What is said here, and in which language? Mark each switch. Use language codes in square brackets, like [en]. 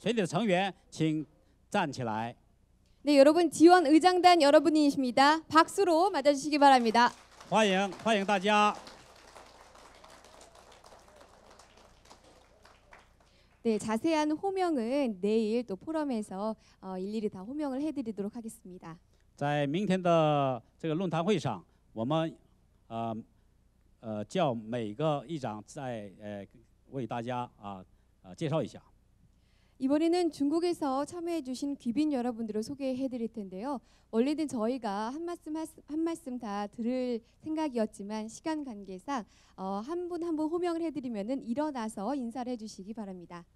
[zh] 因为时间的关系呢，我们不可能依照每个人的名称，只要是支援议长团的全体的成员，请站起来。 [ko] 네, 여러분 지원 의장단 여러분이십니다. 박수로 맞아주시기 바랍니다. 환영 [zh] 大家. [ko] 네, 자세한 호명은 내일 또 포럼에서 일일이 다 호명을 해드리도록 하겠습니다. [zh] 在明天的这个论坛会上，我们叫每个议长在为大家啊介绍一下。 [ko] 이번에는중국에서참여해주신귀빈여러분들을소개해드릴텐데요원래는저희가한 말씀다들을생각이었지만시간관계상한분한분호명을해드리면일어나서인사를해주시기바랍니다